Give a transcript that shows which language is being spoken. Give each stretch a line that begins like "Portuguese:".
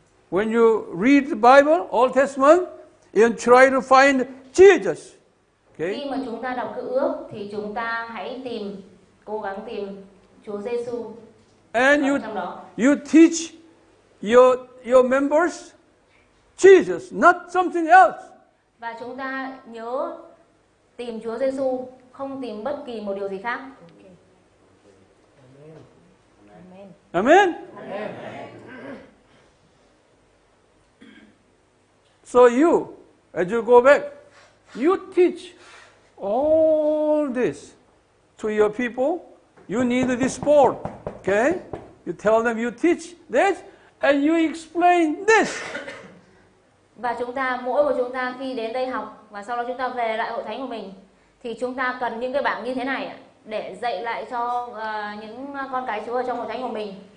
English: When you read the Bible, Old Testament, and try to find Jesus. Okay?
Vietnamese: Khi mà chúng ta đọc Cựu Ước thì chúng ta hãy tìm, cố gắng tìm Chúa Giêsu.
English: And you teach your members Jesus, not something else.
Vietnamese: Và chúng ta nhớ tìm Chúa Giêsu, không tìm bất kỳ một điều gì khác.
English: Okay. Amen. Amen. Amen. So you, as you go back, you teach all this to your people. You need this board, okay? You tell them you teach this, and you explain this.
Vietnamese: Và chúng ta, mỗi của chúng ta khi đến đây học, và sau đó chúng ta về lại hội thánh của mình, thì chúng ta cần những cái bảng như thế này để dạy lại cho những con cái Chúa ở trong hội thánh của mình.